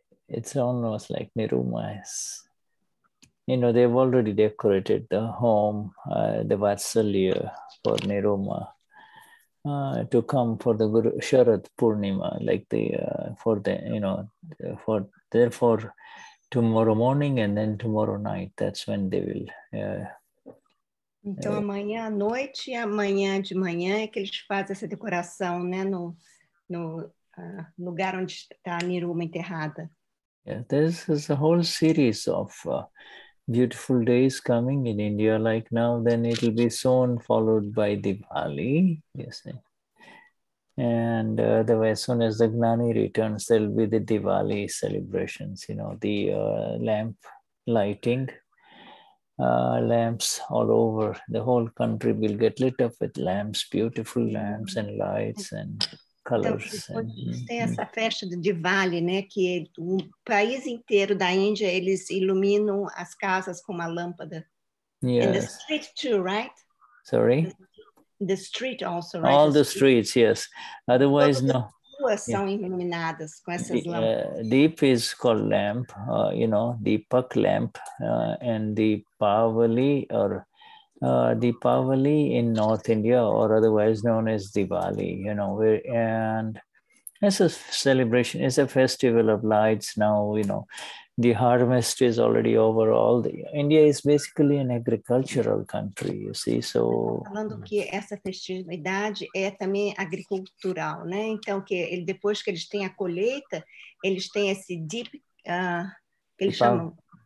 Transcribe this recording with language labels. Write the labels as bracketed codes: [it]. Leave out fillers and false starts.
[en] it's almost like Neruma is, you know, they've already decorated the home, the Vatsalya for Neruma to come for the Guru Sharad Purnima, like the, for the, you know, for therefore tomorrow morning and then tomorrow night, that's when they will. [pt] Então amanhã à noite e amanhã de manhã é que eles fazem essa decoração, né, no lugar onde está a Neruma enterrada. [en] Yeah, this is a whole series of beautiful days coming in India, like now, then it will be soon followed by Diwali, you see. And otherwise, as soon as the Gnani returns, there will be the Diwali celebrations, you know, the lamp lighting, lamps all over. The whole country will get lit up with lamps, beautiful lamps and lights and... [pt] Então, tem essa festa do Diwali, né, que o país inteiro da Índia, eles iluminam as casas com uma lâmpada. [en] Yes. In the street too, right? Sorry? The street also, right? All the streets, yes. Otherwise, no. [pt] As ruas são iluminadas com essas lâmpadas. [en] Deep is called lamp, you know, Deepak lamp, and Deepavali or... Deepavali in North India, or otherwise known as Diwali, you know, and it's a celebration, it's a festival of lights now, you know, the harvest is already over, all the, India is basically an agricultural country, you see, so. [pt] Falando que essa festividade é também agricultural, né, então que ele, depois que eles têm a colheita, eles têm esse deep, que eles chamam.